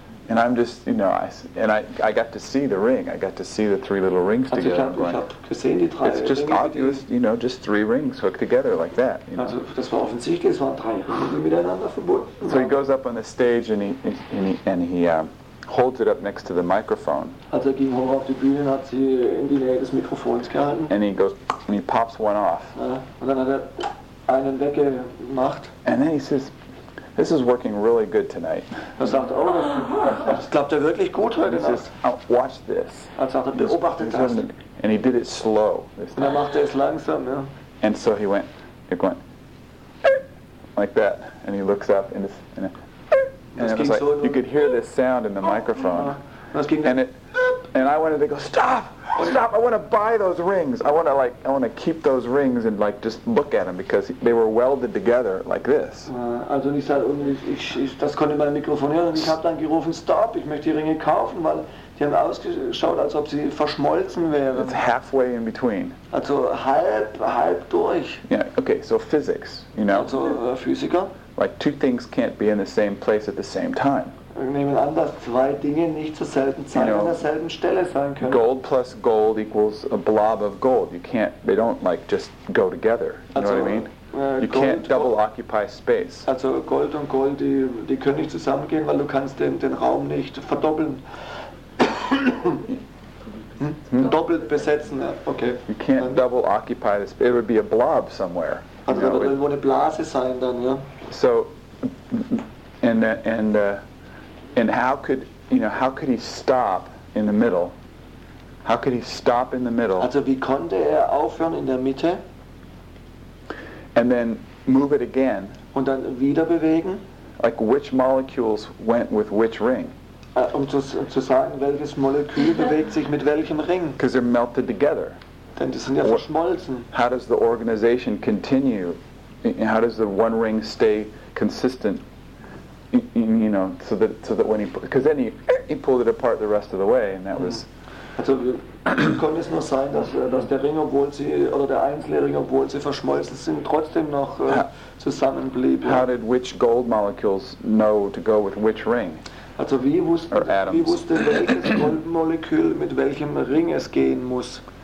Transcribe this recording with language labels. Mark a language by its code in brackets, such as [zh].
[en] And I'm just, you know, I got to see the ring. I got to see the three little rings also together. It's just obvious, you know, just three rings hooked together like that. You [de] also, das war offensichtlich. Es waren drei Ringe miteinander verbunden. [en] So he goes up on the stage and he holds it up next to the microphone. [de] Also, er ging hoch auf die Bühne und hat sie in die Nähe des Mikrofons gehalten. [en] And he goes, and he pops one off. [de] Und dann hat er einen weggemacht. [en] And then he says, this is working really good tonight. [de] Er sagt, oh, das klappt ja wirklich gut heute Nacht. [en] Watch this. [de] Er sagt, beobachte das. [en] And he did it slow. [de] Und er machte es langsam, ja. [en] And so he went like that. And he looks up and you could hear this sound in the microphone. And I wanted to go, stop! Stop! I want to buy those rings. I want to keep those rings and like just look at them because they were welded together like this. [de] Also, ich sagte, das konnte mein Mikrofon hören. Ich habe dann gerufen, stop! Ich möchte die Ringe kaufen, weil die haben ausgeschaut, als ob sie verschmolzen wären. [en] It's halfway in between. [de] Also halb durch. [en] Yeah. Okay. So physics, you know. [de] Also Physiker. [en] Like two things can't be in the same place at the same time. [de] Nehmen an, dass zwei Dinge nicht zur selben Zeit an derselben Stelle sein können. [en] Gold plus gold equals a blob of gold. They don't like just go together. You know what I mean? You can't double occupy space. [de] Also Gold und Gold, die können nicht zusammengehen, weil du kannst den Raum nicht verdoppeln. Doppelt besetzen, okay. [en] You can't double occupy this. It would be a blob somewhere. [de] Also da würde eine Blase sein dann, ja. [en] So, and how could, you know, how could he stop in the middle? How could he stop in the middle? [de] Also, wie konnte er aufhören in der Mitte? [en] And then move it again. [de] Und dann wieder bewegen? [en] Like which molecules went with which ring? [de] Um zu sagen, welches Molekül bewegt sich mit welchem Ring? [en] Because they're melted together. [de] Denn die sind ja verschmolzen. [en] How does the organization continue? How does the one ring stay consistent? You know, so that when he, because then he pulled it apart the rest of the way, and that was. [de] Also, konnte es nur sein, dass der Ring, obwohl sie, oder der einzelne Ring, obwohl sie verschmolzen sind, trotzdem noch zusammenblieb. [en] How did which gold molecules know to go with which ring? [de] Also wie wusste welches Goldmolekül mit welchem Ring es gehen muss?